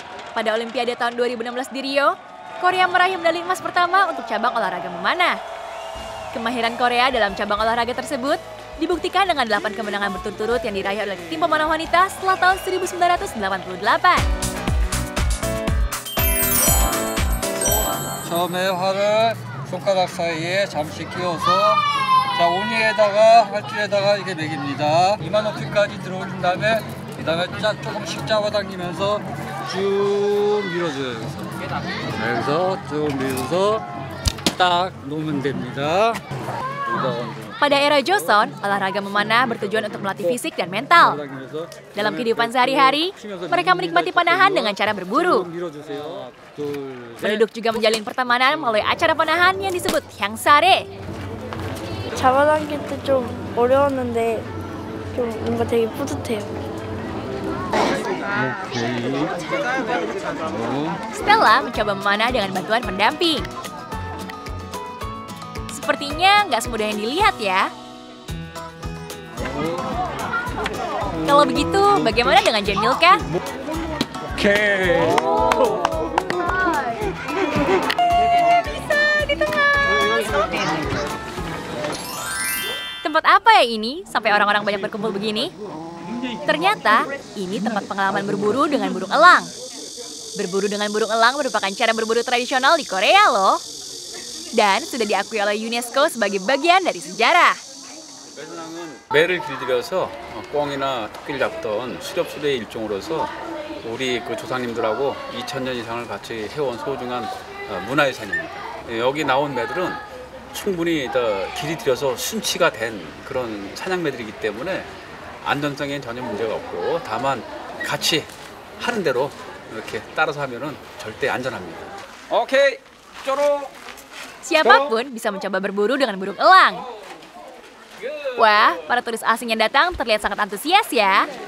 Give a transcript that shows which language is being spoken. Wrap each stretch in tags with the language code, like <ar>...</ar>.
<id>Pada Olimpiade tahun 2016 di Rio, Korea meraih medali emas pertama untuk cabang olahraga memanah. Kemahiran Korea dalam cabang olahraga tersebut dibuktikan dengan 8 kemenangan berturut-turut yang diraih oleh tim pemanah wanita setelah tahun 1988.</id> <ko>처음에 활을 손가락 사이에 잠시 끼워서 자 오니에다가 활줄에다가 이렇게 매깁니다. 이마 높이까지 들어올린 다음에 그 다음에 조금씩 잡아당기면서 쭉 밀어줘요. 여기서. 여기서 쭉 밀어서 딱 놓으면 됩니다.</ko> <id>Pada era Joseon, olahraga memanah bertujuan untuk melatih fisik dan mental. Dalam kehidupan sehari-hari, mereka menikmati panahan dengan cara berburu. Penduduk juga menjalin pertemanan melalui acara panahan yang disebut Hyangsare.</id> <ko>잡아당길 때 좀 어려웠는데 좀 뭔가 되게 뿌듯해요.</ko> <id>Stella mencoba memanah dengan bantuan pendamping. Sepertinya nggak semudah yang dilihat ya. Kalau begitu, bagaimana dengan Jamil kah? Oke. Bisa, di tengah. Tempat apa ya ini, sampai orang-orang banyak berkumpul begini? Ternyata, ini tempat pengalaman berburu dengan burung elang. Berburu dengan burung elang merupakan cara berburu tradisional di Korea loh. Dan sudah diakui oleh UNESCO sebagai bagian dari sejarah.</id> <ko>매를 길들여서 꿩이나 토끼를 잡던 수렵수레의 일종으로서 우리 그 조상님들하고 2000년 이상을 같이 해온 소중한 문화유산입니다. 여기 나온 매들은 충분히 더 길들여서 순치가 된 그런 사냥매들이기 때문에 안전성에는 전혀 문제가 없고 다만 같이 하는 대로 이렇게 따라서 하면은 절대 안전합니다. 오케이! 쪼로!</ko> <id>시apapun bisa mencoba berburu dengan burung elang. Wah, para turis asing yang datang terlihat sangat antusias ya.</id>